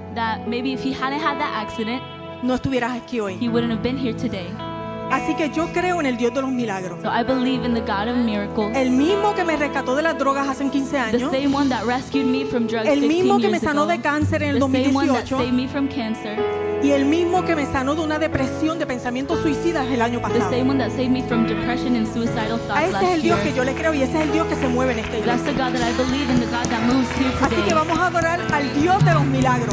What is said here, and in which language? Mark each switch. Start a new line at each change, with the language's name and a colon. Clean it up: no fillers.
English: that maybe if he hadn't had that accident,
Spanish: no estuvieras aquí hoy.
English: He wouldn't have been here today.
Spanish: Así que yo creo en el Dios de los milagros.
English: So I believe in the God of miracles.
Spanish: El mismo que me rescató de las drogas hace 15 años.
English: The same one that rescued me from drugs 15 years ago.
Spanish: El mismo que me sanó de cáncer en el 2018.
English: The same one that saved me from cancer.
Spanish: Y el mismo que me sanó de una depresión de pensamientos suicidas el año pasado.
English: The same one that saved me from depression and suicidal thoughts last year.
Spanish: Ese es el Dios que yo le creo y ese es el Dios que se mueve en este día.
English: That's the God that I believe in, the God that moves here today.
Spanish: Así que vamos a adorar al Dios de los milagros.